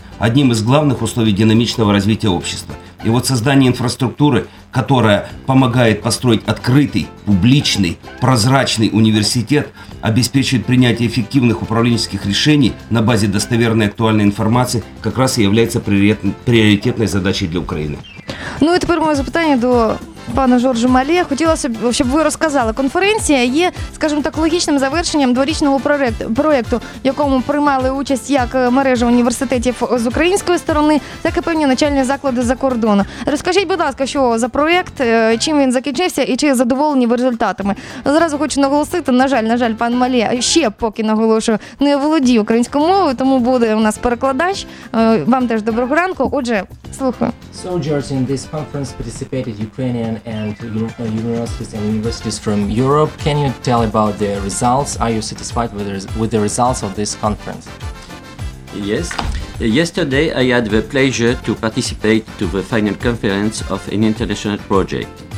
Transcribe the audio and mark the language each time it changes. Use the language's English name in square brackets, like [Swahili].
[Russian] Одним из главных условий динамичного развития общества. И вот создание инфраструктуры, которая помогает построить открытый, публичный, прозрачный университет, обеспечивает принятие эффективных управленческих решений на базе достоверной актуальной информации, как раз и является приоритетной задачей для Украины. Ну и теперь мое [Ukrainian] запитание до пана [Russian] Жоржа Малія. [Ukrainian] Хотілося б, щоб ви розказали, конференція є, скажімо так, логічним завершенням дворічного проєкту, в якому приймали участь як мережа університетів з української сторони, так і певні навчальні заклади з-за кордону. Розкажіть, будь ласка, що за проєкт, чим він закінчився і чи задоволені ви результатами. Зразу хочу наголосити, на жаль, пан Малія ще поки наголошую, не володіє українською мовою, тому буде у нас перекладач. Вам теж доброго ранку. Отже, слухаю. [English] So, George, in this conference participated Ukrainian and universities and universities from Europe. Can you tell about the results? Are you satisfied with the results of this conference? Yes. Yesterday I had the pleasure to participate to the final conference of an international project.